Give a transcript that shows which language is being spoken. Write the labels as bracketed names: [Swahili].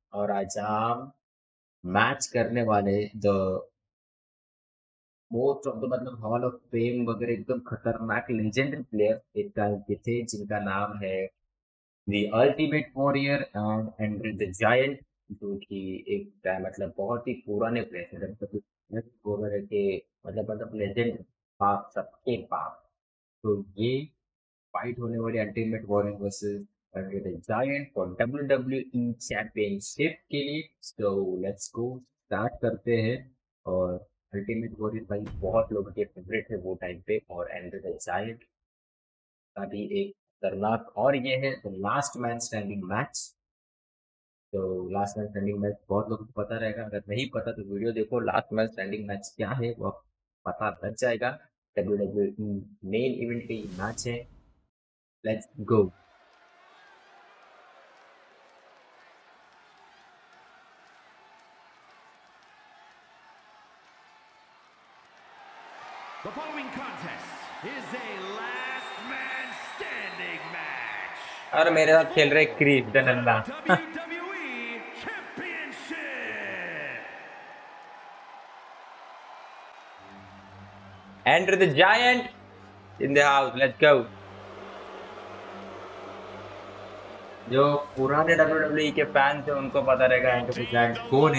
[Hindi] और आज हम मैच करने वाले [English] the most of the [Hindi] मतलब हॉल ऑफ फेम वगैरह एकदम खतरनाक लेजेंडरी प्लेयर इनका थे जिनका नाम है the ultimate warrior and Andre the giant, जो कि एक मतलब बहुत ही पुराने प्लेयर थे के मतलब लेजेंड पाप सबके पाप. तो ये फाइट होने वाली ultimate warrior versus Andre the Giant for WWE Championship के लिए. [English] So let's go, start [Hindi] करते हैं. और अल्टीमेट वॉरियर भाई बहुत लोगों के फेवरेट है वो टाइम पे, और Andre the Giant का भी एक खतरनाक. और ये है the last man standing match. तो लास्ट मैन स्टैंडिंग मैच बहुत लोगों को पता रहेगा, अगर नहीं पता तो वीडियो देखो, लास्ट मैन स्टैंडिंग मैच क्या है वो पता लग जाएगा. WWE मेन इवेंट का ये मैच है, let's go. [English] The following contest is a last man standing match. [Hindi] और मेरे साथ खेल रहे creep दनल्ला. [English] WWE Championship. Andre the Giant in the house. Let's go. [Hindi] जो पुराने WWE के फैंस हैं उनको पता रहेगा Andre the Giant कौन